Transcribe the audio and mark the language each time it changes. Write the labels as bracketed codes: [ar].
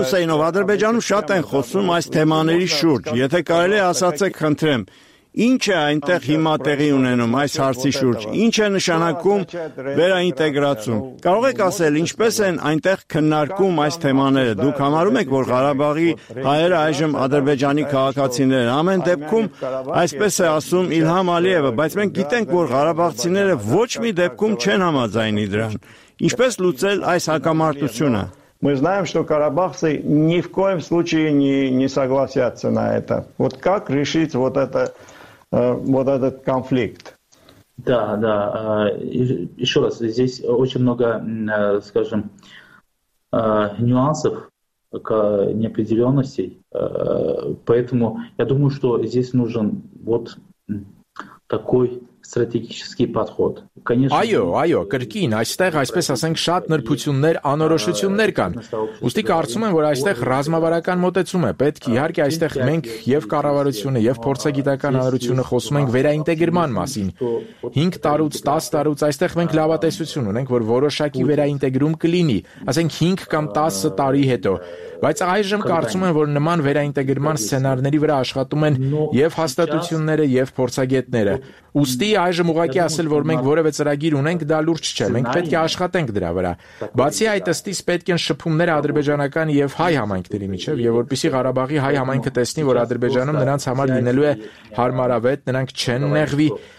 [hy] Հուսեինով, Ադրբեջանում շատ են խոսում այս թեմաների շուրջ, եթե կարելի է ասացեք, խնդրեմ, ինչ է այնտեղ հիմա տեղի ունենում այս հարցի շուրջ, ինչ է նշանակում վերաինտեգրացում, կարող եք ասել, ինչպես են այնտեղ քննարկում այս թեմաները, դուք համարում եք, որ Ղարաբաղի հայերը այժմ ադրբեջանի քաղաքացիներ են, ամեն դեպքում, այսպես է ասում Իլհամ Ալիևը, բայց մենք գիտենք, որ ղարաբաղցիները ոչ մի դեպքում չեն համաձայնի դրան, ինչպես լուծել այս հակամարտությունը։ [ru] Мы знаем, что карабахцы ни в коем случае не согласятся на это. Вот как решить вот этот конфликт? Да, да. Еще раз, здесь очень много, скажем, нюансов, неопределенностей. Поэтому я думаю, что здесь нужен вот такой [hy] ստրատեգիկ պատխոտ։ Այո, այո, կրկին, այստեղ այսպես ասենք շատ նրբություններ, անորոշություններ կան։ Ուստի կարծում եմ, որ այստեղ ռազմավարական մոտեցում է պետք, իհարկե այստեղ մենք եւ կառավարությունը եւ փորձագիտական հանրությունը խոսում ենք վերաինտեգրման մասին։ 5 տարուց, 10 տարուց այստեղ մենք լավատեսություն ունենք, որ որոշակի վերաինտեգրում կլինի, ասենք 5 կամ 10 տարի հետո։ Բայց այժմ կարծում եմ, որ նման վերաինտեգրման սցենարների վրա աշխատում են եւ հաստատությունները, եւ փորձագետները։ Ուստի այժմ ուղղակի ասել, որ մենք որևէ ծրագիր ունենք, դա լուրջ չէ, մենք պետք է աշխատենք դրա վրա։ Բացի այդ, ըստիս պետք են շփումները ադրբեջանական եւ հայ համայնքների միջեւ, եւ որպեսզի Ղարաբաղի հայ համայնքը տեսնի, որ Ադրբեջանում նրանց համար լինելու է հարմարավետ, նրանք չեն նեղվի,